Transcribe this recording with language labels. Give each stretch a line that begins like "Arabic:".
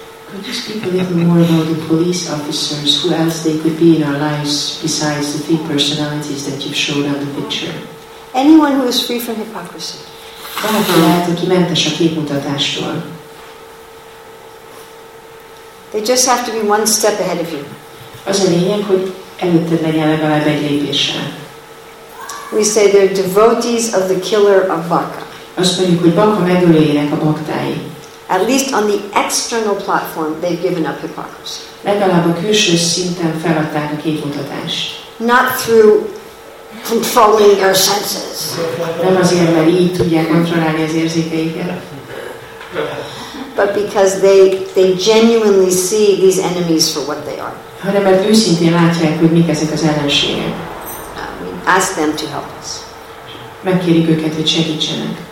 English: Could you speak a little more about the police officers? Who else they could be in our lives besides the three personalities that you've shown on the picture? Anyone who is free from hypocrisy.
Hungarian: Valaki lehet, aki mentes a képmutatástól.
English: They just have to be one step ahead of you.
Hungarian: Az a lényeg, hogy előtted legyen legalább egy lépéssel.
English: We say they're devotees of the killer of Baka.
Hungarian: Azt mondjuk, hogy Baka megölőjének a baktái.
English: At least on the external platform, they've given up hypocrisy.
Hungarian: Legalább a külső szinten feladták a képmutatást.
English: Not through controlling their senses.
Hungarian: Nem azért, mert így tudják kontrollálni az érzékeiket.
English: But because they genuinely see these enemies for what they are.
Hungarian: Hanem mert őszintén látják, hogy mik ezek az ellenségek.
English: Ask them to help us.
Hungarian: Megkérjük őket, hogy segítsenek.